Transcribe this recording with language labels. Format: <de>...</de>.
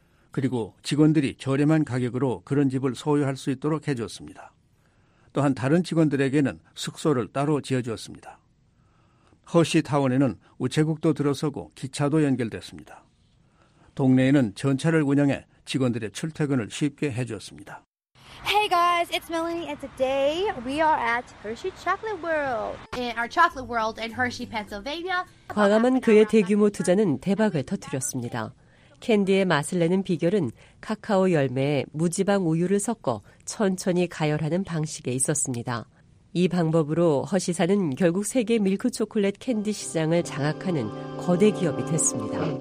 <ko>그리고 직원들이 저렴한 가격으로 그런 집을 소유할 수 있도록 해주었습니다. 또한 다른 직원들에게는 숙소를 따로 지어주었습니다. 허쉬 타운에는 우체국도 들어서고 기차도 연결됐습니다. 동네에는 전차를 운영해 직원들의 출퇴근을 쉽게 해주었습니다.</ko> <en>Hey guys, it's Melanie and today we are at Hershey Chocolate World. In our Chocolate World in Hershey, Pennsylvania.</en> <ko>과감한 그의 대규모 투자는 대박을 터뜨렸습니다. 캔디의 맛을 내는 비결은 카카오 열매에 무지방 우유를 섞어 천천히 가열하는 방식에 있었습니다. 이 방법으로 허시사는 결국 세계 밀크 초콜릿 캔디 시장을 장악하는 거대 기업이 됐습니다.</ko>